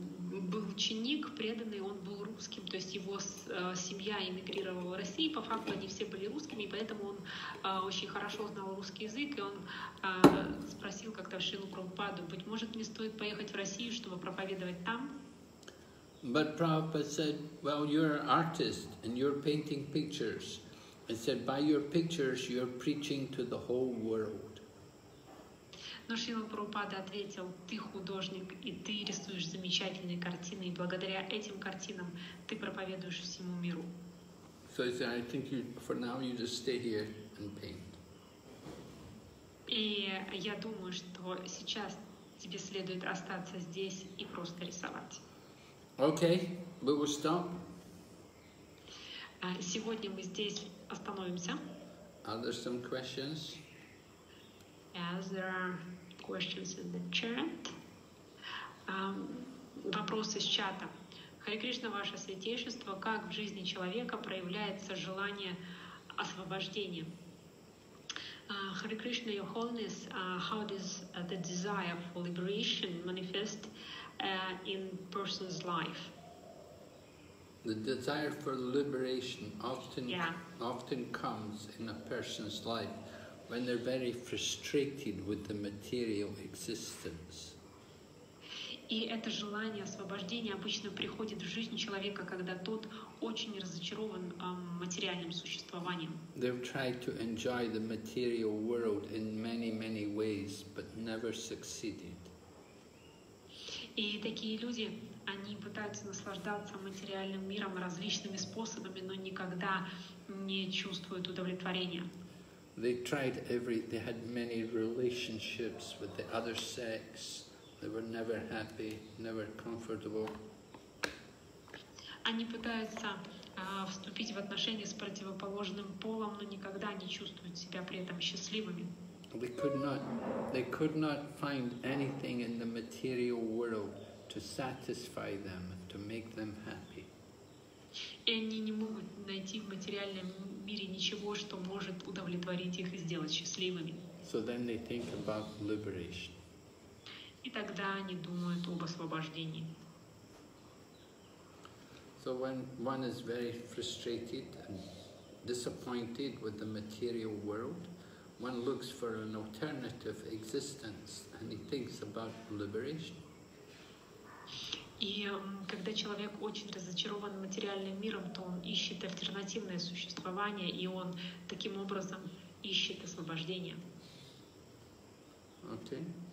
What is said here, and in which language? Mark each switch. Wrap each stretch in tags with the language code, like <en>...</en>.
<ru>Был ученик преданный, он был русским, то есть его семья эмигрировала в Россию, по факту они все были русскими, поэтому он очень хорошо знал русский язык, и он спросил как-то Шрилу Прабхупаду, быть может мне стоит поехать в Россию, чтобы проповедовать там?</ru> <en>But Prabhupada said, well, you're an artist and you're painting pictures. I said, by your pictures, you're preaching to the whole world.</en> <ru>Но Шрила Прабхупада ответил: «Ты художник, и ты рисуешь замечательные картины, и благодаря этим картинам ты проповедуешь всему миру».</ru> <en>So he said, I think you, for now you just stay here and paint.</en> <ru>И я думаю, что сейчас тебе следует остаться здесь и просто рисовать.</ru> <en>Okay, we will stop.</en> <ru>Сегодня мы здесь остановимся.</ru> <en>Are there some questions? Yes, there are questions in the chat.</en> <ru>Вопрос из чата. Харе Кришна, Ваше Святейшество, как в жизни человека проявляется желание освобождения?</ru> <en>Харе Кришна, Your Holiness, how does the desire for liberation manifest in person's life? The desire for liberation often comes in a person's life when they're very frustrated with the material existence.</en> <ru>И это желание освобождения обычно приходит в жизнь человека, когда тот очень разочарован материальным существованием.</ru> <en>They've tried to enjoy the material world in many, many ways, but never succeeded.</en> <ru>И такие люди, они пытаются наслаждаться материальным миром различными способами, но никогда не чувствуют удовлетворения.</ru> <en>They had many relationships with the other sex. They were never happy, never comfortable.</en> <ru>Они пытаются вступить в отношения с противоположным полом, но никогда не чувствуют себя при этом счастливыми.</ru> <en>They could not find anything in the material world to satisfy them, to make them happy.</en> <ru>И они не могут найти в материальном мире ничего, что может удовлетворить их и сделать счастливыми.</ru> <en>So then they think about liberation.</en> <ru>И тогда они думают об освобождении.</ru> <en>So when one is very frustrated and disappointed with the material world, one looks for an alternative existence and he thinks about liberation.</en> <ru>И когда человек очень разочарован материальным миром, то он ищет альтернативное существование, и он таким образом ищет освобождение.</ru> <en>Okay.</en>